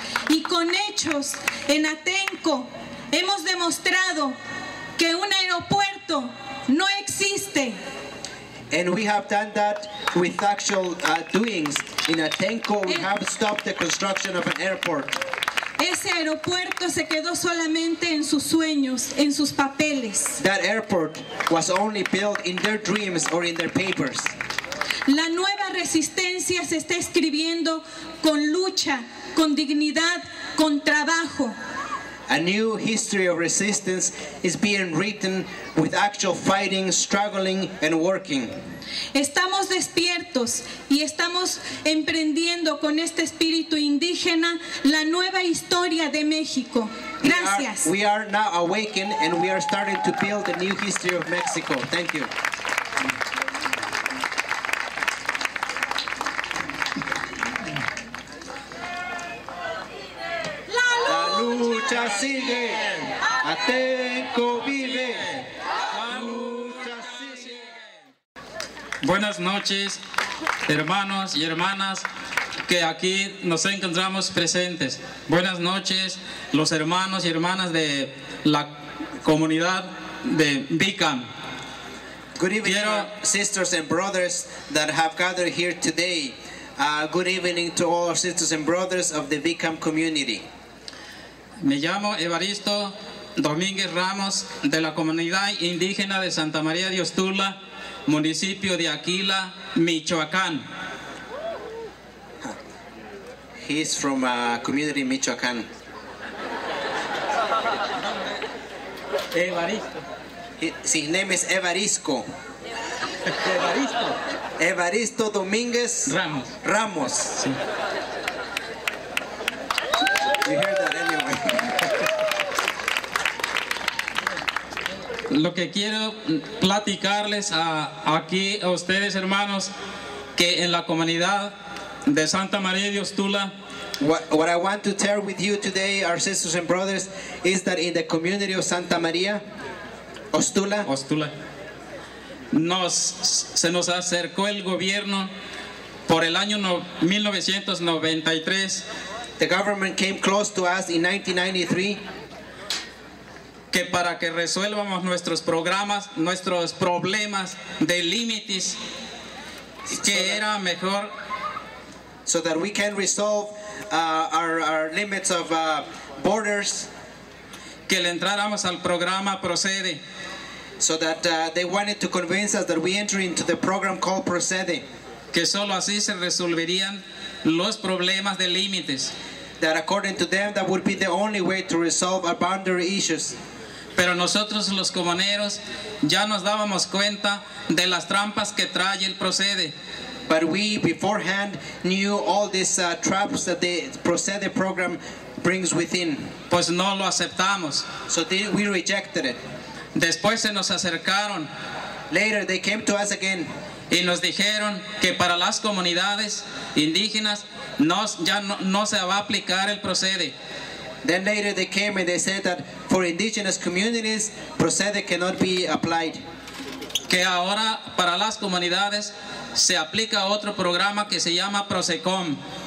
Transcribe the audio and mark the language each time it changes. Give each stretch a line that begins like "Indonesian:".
Spanish: Y con hechos, en Atenco, hemos demostrado que un aeropuerto no existe.
English: And we have done that with actual doings. In Atenco, we have stopped the construction of an airport.
Spanish: Ese aeropuerto se quedó solamente en sus sueños, en sus papeles.
English: That airport was only built in their dreams or in their papers.
Spanish: La nueva resistencia se está escribiendo con lucha, con dignidad, con trabajo.
English: A new history of resistance is being written with actual fighting, struggling, and working.
Spanish: Estamos despiertos y estamos emprendiendo con este espíritu indígena la nueva historia de México. Gracias.
English: We are now awakened and we are starting to build a new history of Mexico. Thank you.
Spanish: La lucha, la lucha sigue. Atenco vive. Buenas noches, hermanos y hermanas que aquí nos encontramos presentes. Buenas noches, los hermanos y hermanas de la comunidad de Bicam.
English: Good evening,
Spanish: quiero,
English: sisters and brothers that have gathered here today. Good evening to all our sisters and brothers of the Bicam community.
Spanish: Me llamo Evaristo Domínguez Ramos, de la comunidad indígena de Santa María de Ostula, municipio de Aquila, Michoacán.
English: He's from a community in Michoacán.
Spanish: Evaristo.
English: His name is Evarisco.
Spanish: Evaristo. Evaristo Domínguez Ramos. Ramos. Sí.
English: You hear that anyway.
Spanish: Lo que quiero platicarles aquí a ustedes, hermanos, que en la comunidad de Santa María de Ostula,
English: what I want to share with you today, our sisters and brothers, is that in the community of Santa María Ostula,
Spanish: se nos acercó el gobierno por el año 1993.
English: The government came close to us in 1993.
Spanish: Que para que resuelvamos nuestros programas, nuestros problemas de límites, que
English: so that,
Spanish: era mejor.
English: So that we can resolve our limits of borders.
Spanish: Que le entráramos al programa Procede.
English: So that they wanted to convince us that we enter into the program called Procede.
Spanish: Que solo así se resolverían los problemas de límites.
English: That according to them, that would be the only way to resolve our boundary issues.
Spanish: Pero nosotros los comuneros ya nos dábamos cuenta de las trampas que trae el Procede.
English: But we beforehand knew all these traps that the Procede program brings within.
Spanish: Pues no lo aceptamos.
English: So we rejected it.
Spanish: Después se nos acercaron.
English: Later they came to us again.
Spanish: Y nos dijeron que para las comunidades indígenas ya no se va a aplicar el Procede.
English: Then later they came and they said that for indigenous communities, Procede cannot be applied.
Spanish: Que ahora para las comunidades se aplica otro programa que se llama Prosecom.